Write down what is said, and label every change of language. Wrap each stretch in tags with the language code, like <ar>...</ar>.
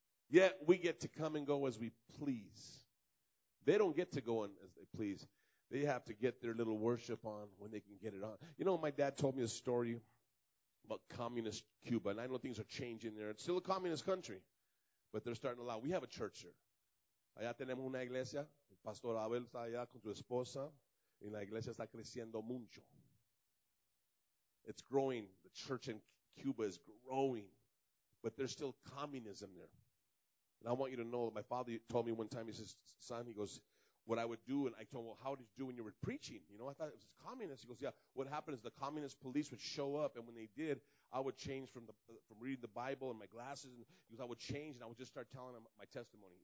<en>Yet we get to come and go as we please. They don't get to go on as they please. They have to get their little worship on when they can get it on. You know, my dad told me a story about communist Cuba, and I know things are changing there. It's still a communist country, but they're starting to allow. We have a church here.</en> <es>Allá tenemos una iglesia. El pastor Abel está allá con su esposa, y la iglesia está creciendo mucho.</es> <en>It's growing. The church in Cuba is growing, but there's still communism there. And I want you to know that my father told me one time, he says, son, he goes, what I would do, and I told him, well, how did you do when you were preaching? You know, I thought it was communist. He goes, yeah, what happened is the communist police would show up, and when they did, I would change from reading the Bible and my glasses, and he goes, I would change, and I would just start telling them my testimony.</en>